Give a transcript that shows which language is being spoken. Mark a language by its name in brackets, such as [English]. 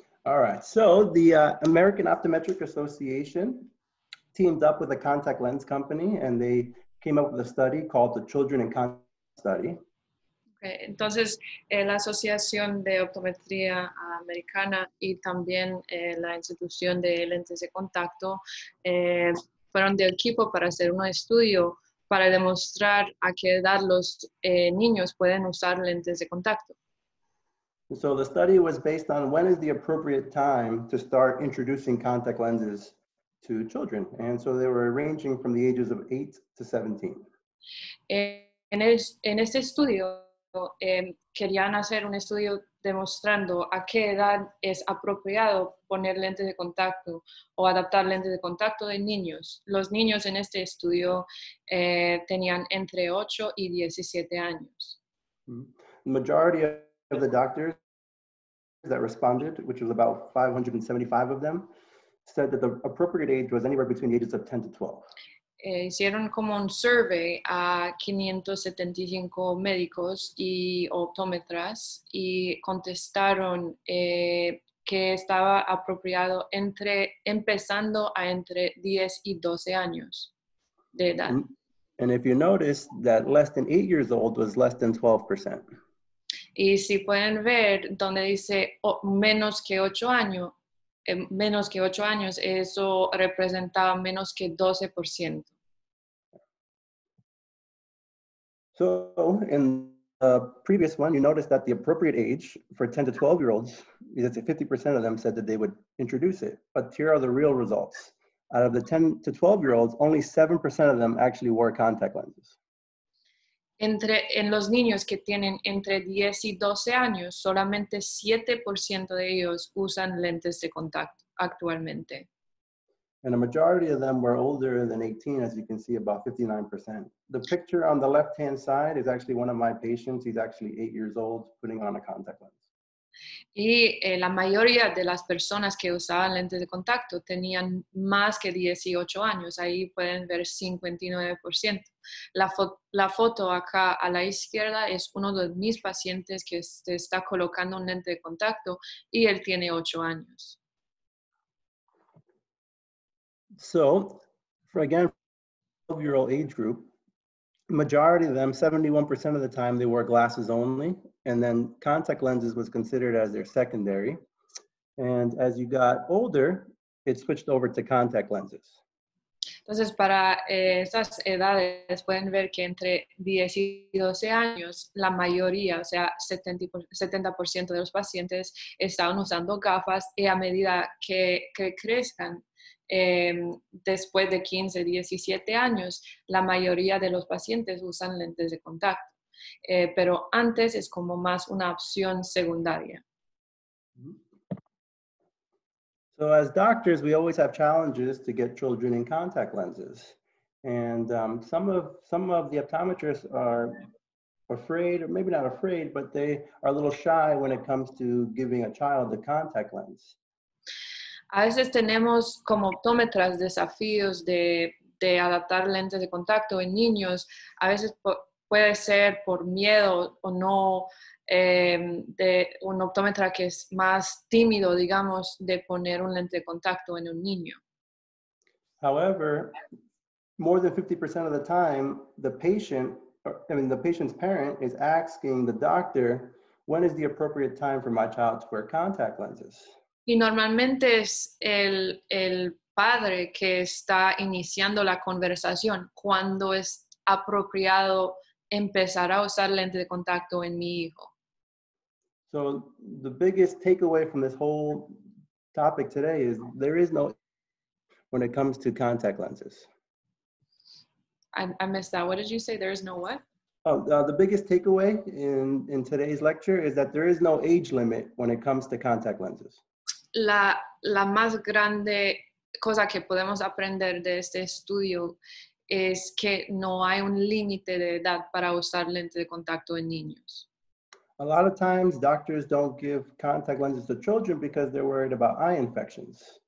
[English] All right, so the American Optometric Association teamed up with a contact lens company and they came up with a study called the Children in Contact Study. [Spanish] Okay, entonces la Asociación de Optometría Americana y también la Institución de Lentes de Contacto fueron de equipo para hacer un estudio para demostrar a qué edad los niños pueden usar lentes de contacto. [English] So the study was based on when is the appropriate time to start introducing contact lenses to children. And so they were ranging from the ages of 8 to 17. [Spanish] En este estudio, querían hacer un estudio demostrando a qué edad es apropiado poner lentes de contacto o adaptar lentes de contacto de niños. Los niños en este estudio tenían entre 8 y 17 años. [English] The majority of the doctors that responded, which was about 575 of them, said that the appropriate age was anywhere between the ages of 10 to 12. [Spanish] Hicieron como un survey a 575 médicos y optómetras y contestaron que estaba apropiado empezando entre 10 y 12 años de edad. [English] And if you notice that less than 8 years old was less than 12%. [Spanish] Y si pueden ver donde dice menos que 8 años, menos que 8 años, eso representaba menos que 12%. [English] So in the previous one, you noticed that the appropriate age for 10 to 12 year olds is that 50% of them said that they would introduce it. But here are the real results. Out of the 10 to 12 year olds, only 7% of them actually wore contact lenses. [Spanish] En los niños que tienen entre 10 y 12 años, solamente 7% de ellos usan lentes de contacto actualmente. [English] And a majority of them were older than 18, as you can see, about 59%. The picture on the left-hand side is actually one of my patients. He's actually 8 years old, putting on a contact lens. [Spanish] Y la mayoría de las personas que usaban lentes de contacto tenían más que 18 años. Ahí pueden ver 59%. La foto acá a la izquierda es uno de mis pacientes que se está colocando un lente de contacto y él tiene 8 años. [English] So, for again, 12-year-old age group, majority of them, 71% of the time, they wore glasses only. And then contact lenses was considered as their secondary. And as you got older, it switched over to contact lenses. [Spanish] Entonces, para esas edades, pueden ver que entre 10 y 12 años, la mayoría, o sea, 70% de los pacientes estaban usando gafas y a medida que crezcan, después de 15, 17 años, la mayoría de los pacientes usan lentes de contacto. Pero antes es como más una opción secundaria. [English] So as doctors, we always have challenges to get children in contact lenses. And some of the optometrists are afraid, or maybe not afraid, but they are a little shy when it comes to giving a child a contact lens. [Spanish] A veces tenemos como optómetras desafíos de adaptar lentes de contacto en niños. A veces puede ser por miedo o no de un optómetra que es más tímido, digamos, de poner un lente de contacto en un niño. [English] However, more than 50% of the time, the patient's parent is asking the doctor, when is the appropriate time for my child to wear contact lenses? [Spanish] Y normalmente es el padre que está iniciando la conversación, ¿cuándo es apropiado empezar a usar lente de contacto en mi hijo? [English] So the biggest takeaway from this whole topic today is there is no when it comes to contact lenses. I missed that. What did you say? There is no what? The biggest takeaway in today's lecture is that there is no age limit when it comes to contact lenses. [Spanish] La más grande cosa que podemos aprender de este estudio es que no hay un límite de edad para usar lentes de contacto en niños. [English] A lot of times doctors don't give contact lenses to children because they're worried about eye infections.